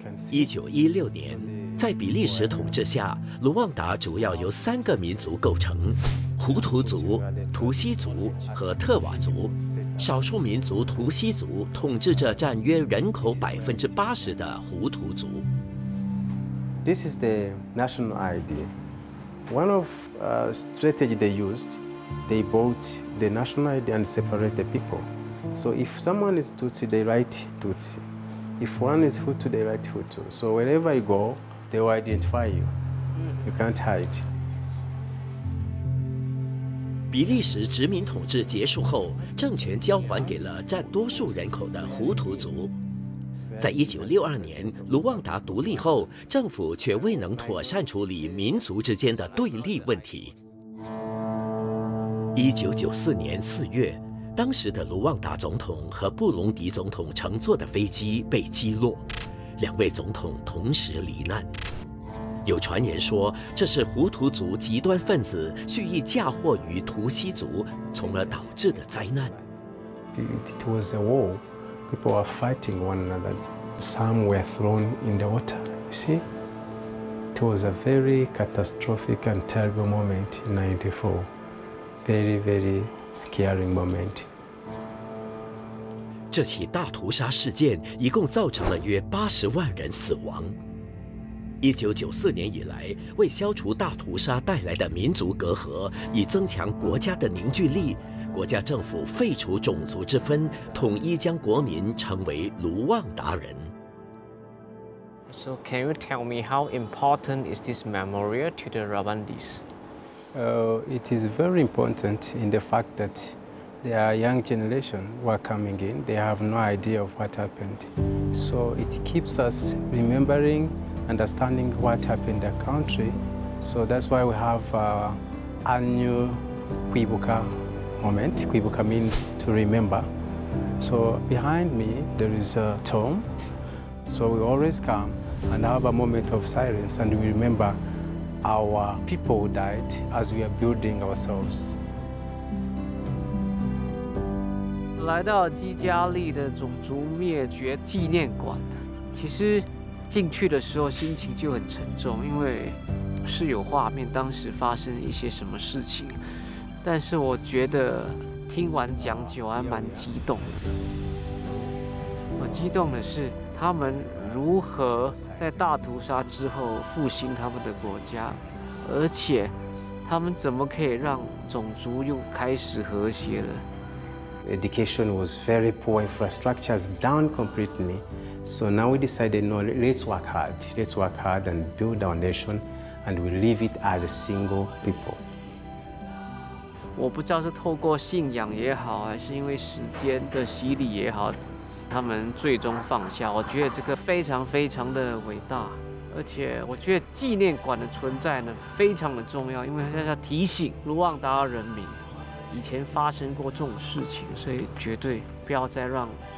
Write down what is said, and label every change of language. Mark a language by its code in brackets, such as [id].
[zh] 1916年，在比利时统治下，卢旺达主要由3个民族构成：胡图族、图西族和特瓦族。少数民族图西族统治着占约人口80%的胡图族。 [en] This is the national ID. One of strategy they used, they bought the national ID and separate the people. So if someone is Tutsi, they write Tutsi. If one is Hutu, they write Hutu. So wherever you go, they will identify you. You can't hide. [zh] 比利时殖民统治结束后，政权交还给了占多数人口的胡图族。在1962年卢旺达独立后，政府却未能妥善处理民族之间的对立问题。 1994年4月，当时的卢旺达总统和布隆迪总统乘坐的飞机被击落，两位总统同时罹难。有传言说，这是胡图族极端分子蓄意嫁祸于图西族，从而导致的灾难。 [en] It was a war. People were fighting one another. Some were thrown in the water. You see, it was a very catastrophic and terrible moment in '94. Very, very scary moment. [zh] 这起大屠杀事件一共造成了约80万人死亡。 1994年以来，为消除大屠杀带来的民族隔阂，以增强国家的凝聚力，国家政府废除种族之分，统一将国民称为卢旺达人。 [en] So can you tell me how important is this memorial to the Rwandese? It is very important in the fact that there are young generation who are coming in. They have no idea of what happened. So it keeps us remembering. Understanding what happened in the country, so that's why we have annual Kwibuka moment. Kwibuka means to remember. So behind me there is a tomb. So we always come and have a moment of silence and we remember our people who died as we are building ourselves. [zh] 来到基加利的种族灭绝纪念馆，其实。进去的时候心情就很沉重，因为是有画面当时发生一些什么事情，但是我觉得听完讲解还蛮激动的。我激动的是他们如何在大屠杀之后复兴他们的国家，而且他们怎么可以让种族又开始和谐了。 [en] Education was very poor, infrastructure is down completely. So now we decided, no, let's work hard. Let's work hard and build our nation, and we live it as a single people. [zh] 我不知道是透过信仰也好，还是因为时间的洗礼也好，他们最终放下。我觉得这个非常非常的伟大，而且我觉得纪念馆的存在呢非常的重要，因为它要提醒卢旺达人民以前发生过这种事情，所以绝对不要再让。